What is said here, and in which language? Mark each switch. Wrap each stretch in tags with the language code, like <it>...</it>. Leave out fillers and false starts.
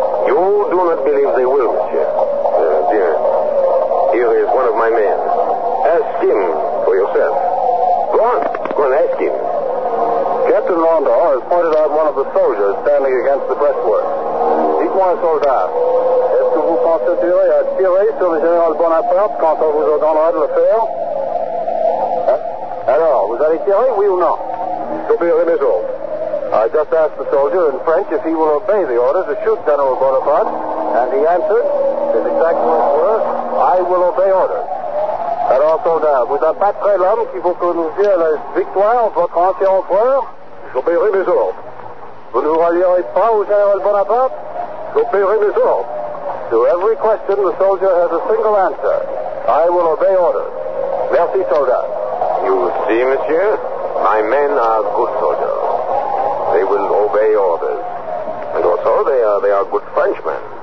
<en>You do not believe they will, monsieur. Dear, here is one of my men. Ask him for yourself. Go on, ask him. Captain Rondeau has pointed out one of the soldiers standing against the breastwork.</en> <fr>Dites-moi, soldat. Est-ce que vous penserez à tirer sur le général Bonaparte quand on vous donnera de le faire? Alors, vous allez tirer, oui ou non? J'obéirai mes ordres.</fr> <en>I just asked the soldier in French if he will obey the order to shoot General Bonaparte, and he answered, his exact words were, I will obey orders.</en> <fr>Alors, soldat, vous abattrez l'homme qui veut que nous dire la victoire, votre ancien empereur? J'obéirai mes ordres. Vous ne vous rallierez pas au général Bonaparte? J'obéirai mes ordres.</fr> <en>To every question, the soldier has a single answer. I will obey orders.</en> <fr>Merci, soldat.</fr> <en>You see, monsieur, my men are good soldiers. They will obey orders. And also, they are good Frenchmen.</en>